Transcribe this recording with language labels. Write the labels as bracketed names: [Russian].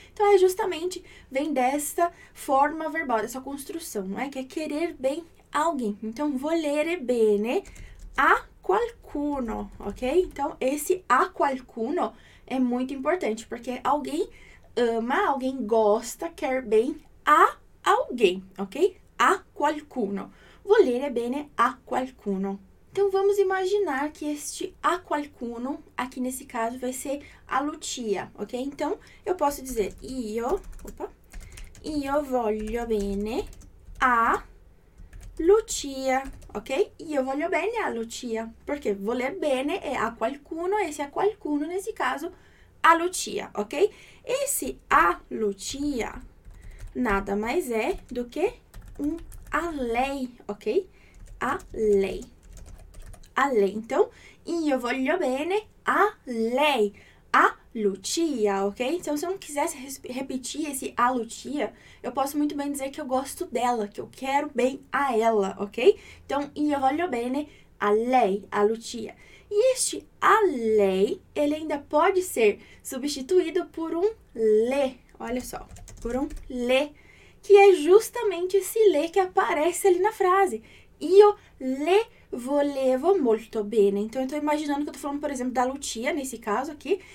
[Portuguese] Então, é justamente, vem dessa forma verbal, dessa construção, não é? Que é querer bem alguém. [Italian] Então, volere bene a qualcuno, ok? [Portuguese] Então, esse [Italian] a qualcuno [Portuguese] é muito importante, porque alguém ama, alguém gosta, quer bem a alguém, ok? [Italian] A qualcuno. Volere bene a qualcuno. [Portuguese] Então, vamos imaginar que este [Italian] a qualcuno, [Portuguese] aqui nesse caso, vai ser a Lucia, ok? Então, eu posso dizer, [Italian] io voglio bene a Lucia, [Portuguese] ok? [Italian] Io voglio bene a Lucia, perché voler bene è a qualcuno, [Portuguese] e esse [Italian] a qualcuno, [Portuguese] nesse caso, [Italian] a Lucia, ok? [Portuguese] Esse a Lucia nada mais é do que um a lei, ok? [Italian] A lei. A lei. Então, io voglio bene a lei, a Lucia, ok? [Portuguese] Então, se eu não quisesse repetir esse a Lucia, eu posso muito bem dizer que eu gosto dela, que eu quero bem a ela, ok? [Italian] Então, io voglio bene a lei, a Lucia. [Portuguese] E este a lei, ele ainda pode ser substituído por um le, olha só, por um le, que é justamente esse le que aparece ali na frase. [Italian] Io le volevo molto bene. [Portuguese] Então, eu estou imaginando que eu estou falando, por exemplo, da Lucia, nesse caso aqui.